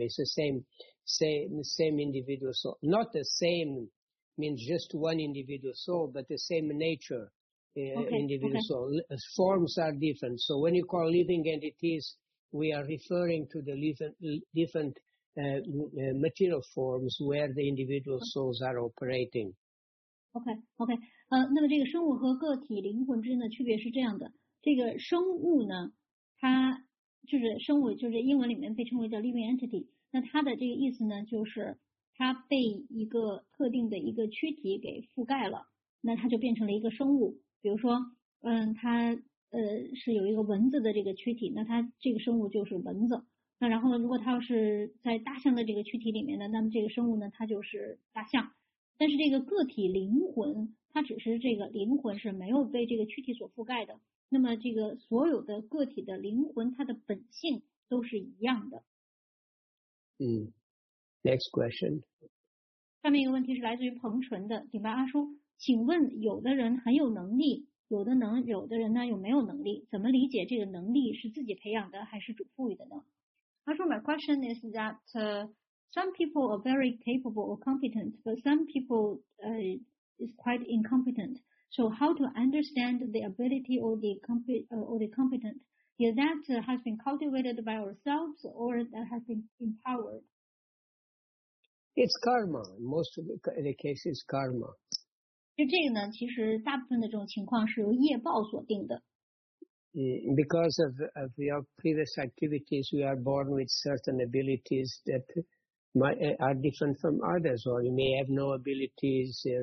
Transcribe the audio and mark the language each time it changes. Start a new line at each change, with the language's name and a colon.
English: It's the same individual soul. Not the same means just one individual soul, but the same nature, soul. Forms are different. So when you call living entities, we are referring to the different material forms where the individual souls are operating. Okay.
Chinese: 那么这个生物和个体灵魂之间的区别是这样的。这个生物呢？它就是生物，就是英文里面被称为叫 living entity。那它的这个意思呢，就是它被一个特定的一个躯体给覆盖了，那它就变成了一个生物。比如说，它是有一个蚊子的这个躯体，那它这个生物就是蚊子。那然后呢，如果它要是在大象的这个躯体里面呢，那么这个生物呢，它就是大象。但是这个个体灵魂，它只是这个灵魂是没有被这个躯体所覆盖的。那么这个所有的个体的灵魂它的本性都是一样的。
English: Next question.
Chinese: 下面一个问题是来自于彭纯的，顶巴阿叔，请问有的人很有能力，有的人呢又没有能力，怎么理解这个能力是自己培养的还是主赋予的呢？
English: 阿叔， my question is that some people are very capable or competent, but some people is quite incompetent. So how to understand the ability or the competent? Is that has been cultivated by ourselves or that has been empowered? It's karma. Most of the cases is karma.
Chinese: 就这个呢，其实大部分的这种情况是由业报所定的。
English: Because of your previous activities, we are born with certain abilities that are different from others, or you may have no abilities.